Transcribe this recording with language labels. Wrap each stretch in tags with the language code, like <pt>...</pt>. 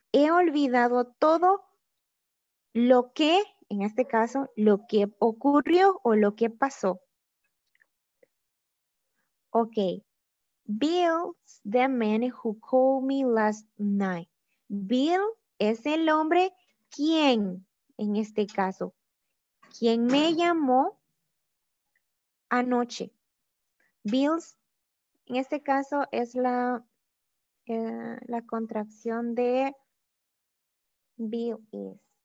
<es>He olvidado todo lo que, en este caso, lo que ocurrió o lo que pasó.</es> <en>Ok, Bill's the man who called me last night.</en> <es>Bill es el hombre quien, en este caso, quien me llamó anoche. Bill's, en este caso, es la contracción de Bill is.</es>